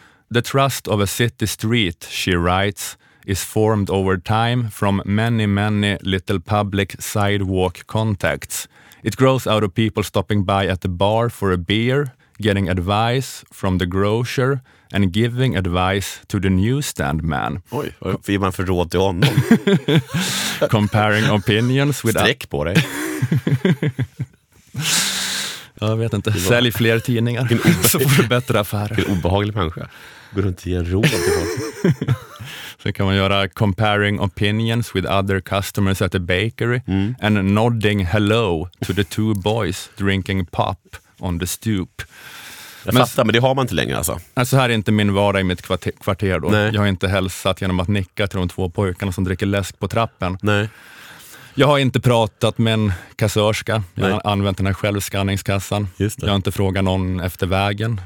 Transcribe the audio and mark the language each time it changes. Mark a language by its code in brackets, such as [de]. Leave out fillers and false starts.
[en] The trust of a city street, she writes, is formed over time from many, many little public sidewalk contacts. It grows out of people stopping by at the bar for a beer, getting advice from the grocer, and giving advice to the newsstand man. [sv] Oj, vad ger man för råd till honom? [en] Comparing opinions with... [sv] Sträck på dig. Jag vet inte. Sälj fler tidningar så får du bättre affärer. Vilken obehaglig människa. Går du inte ge råd till honom? Sen kan man göra [en] comparing opinions with other customers at the bakery and nodding hello to the two boys drinking pop on the stoop. [sv] Jag fattar, men det har man inte längre alltså. Så här är inte min vardag i mitt kvarter då. Nej. Jag har inte hälsat genom att nicka till de två pojkarna som dricker läsk på trappen. Nej. Jag har inte pratat med en kassörska. Jag har använt den här självskanningskassan. Jag har inte frågat någon efter vägen.